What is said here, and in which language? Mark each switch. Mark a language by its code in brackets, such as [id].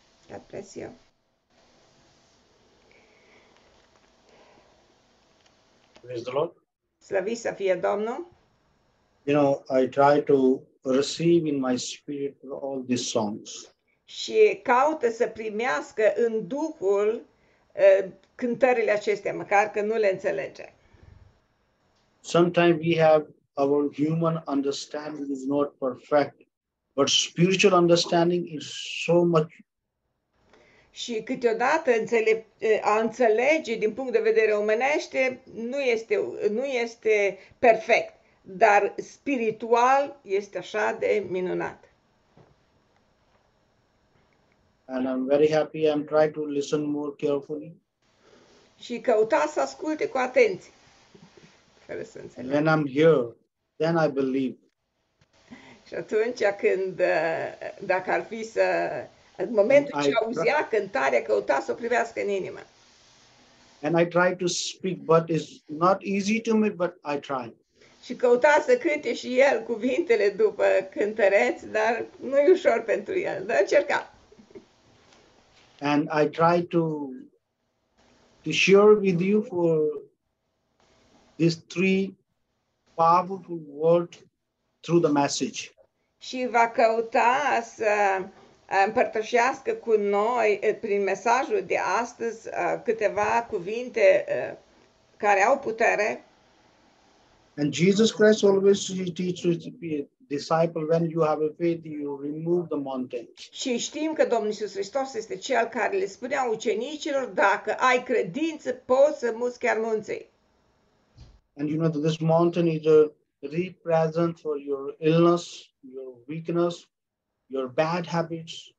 [en] God bless you. Praise the Lord. [ro] Slavi să fie Domnul. [en] You know, I try to receive in my spirit all these songs. [ro] Și caută să primească în Duhul cântările acestea, măcar că nu le înțelege. [en] Sometimes we have our human understanding is not perfect, but spiritual understanding is so much. [ro] Și câteodată a înțelege din punct de vedere omenește nu este perfect, dar spiritual este așa de minunat. [en] And I'm very happy. I'm trying to listen more carefully. [ro] Și căuta să asculte cu atenție. Fără să înțeleg. [en] When I'm here, then I believe. [ro] Și atunci când dacă ar fi să în momentul ce auzea cântarea, căuta să o privească în inimă. [en] And I try to speak, but it's not easy to me, but I try. [ro] Și căuta să cânte și el cuvintele după cântăreț, dar nu e ușor pentru el. Dar încerca. [en] And I try to share with you for these three powerful words through the message. [ro] Și va căuta să împărtășească cu noi prin mesajul de astăzi câteva cuvinte care au putere. [en] And Jesus Christ always teaches to be a disciple, when you have a faith, you remove the mountains. [ro] Și știm că Domnul Iisus Hristos este cel care le spunea ucenicilor, dacă ai credință, poți să muți chiar munții. [en] And you know that this mountain is a represent for your illness, your weakness, your bad habits.